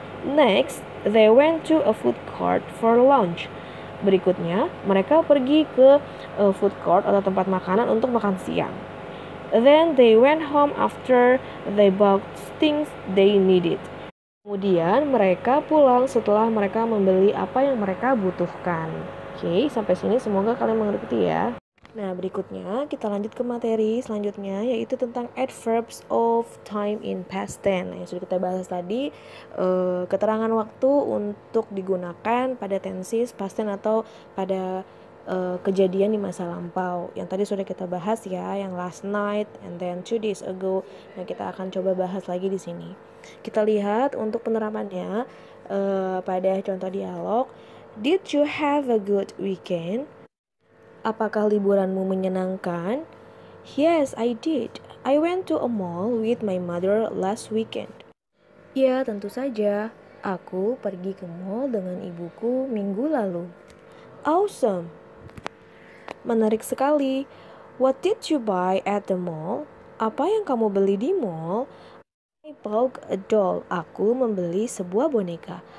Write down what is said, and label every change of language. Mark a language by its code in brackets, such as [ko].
[en] Next, they went to a food court for lunch. [id] Berikutnya, mereka pergi ke food court atau tempat makanan untuk makan siang. [en] Then they went home after they bought things they needed. [id] Kemudian mereka pulang setelah mereka membeli apa yang mereka butuhkan. Oke, sampai sini semoga kalian mengerti ya. Nah, berikutnya kita lanjut ke materi selanjutnya, yaitu tentang adverbs of time in past tense. Yang sudah kita bahas tadi, keterangan waktu untuk digunakan pada tenses past tense atau pada kejadian di masa lampau. Yang tadi sudah kita bahas ya, yang [en] last night and then 2 days ago. [id] Nah, kita akan coba bahas lagi di sini. Kita lihat untuk penerapannya pada contoh dialog. [en] Did you have a good weekend? [id] Apakah liburanmu menyenangkan? [en] Yes, I did. I went to a mall with my mother last weekend. [id] Ya, tentu saja. Aku pergi ke mall dengan ibuku minggu lalu. Awesome. Menarik sekali. [en] What did you buy at the mall? [id] Apa yang kamu beli di mall? [en] I bought a doll. [id] Aku membeli sebuah boneka.